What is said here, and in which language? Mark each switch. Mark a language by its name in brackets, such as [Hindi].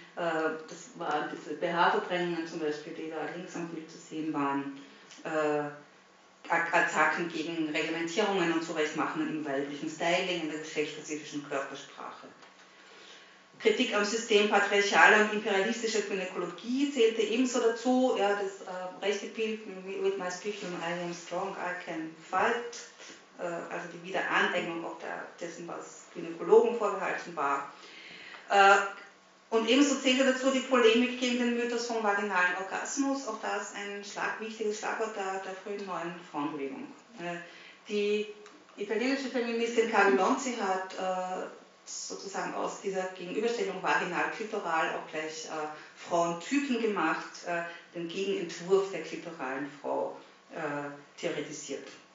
[German] Das waren diese BH-Verdrängungen zum Beispiel, die da links am Bild zu sehen waren. Attacken gegen Reglementierungen und Zurechtmachen im weiblichen Styling, in der geschlechtsspezifischen Körpersprache. Kritik am System patriarchaler und imperialistischer Gynäkologie zählte ebenso dazu. Ja, das rechte Bild, [English] with my speaking, I am strong, I can fight. [German] Also die Wiederaneignung auch dessen, was Gynäkologen vorgehalten war. Und ebenso zählte dazu die Polemik gegen den Mythos vom vaginalen Orgasmus, auch das ein wichtiges Schlagwort der frühen neuen Frauenbewegung. Die italienische Feministin Carlo Lonzi hat sozusagen aus dieser Gegenüberstellung vaginal-klitoral auch gleich Frauentypen gemacht, den Gegenentwurf der klitoralen Frau theoretisiert.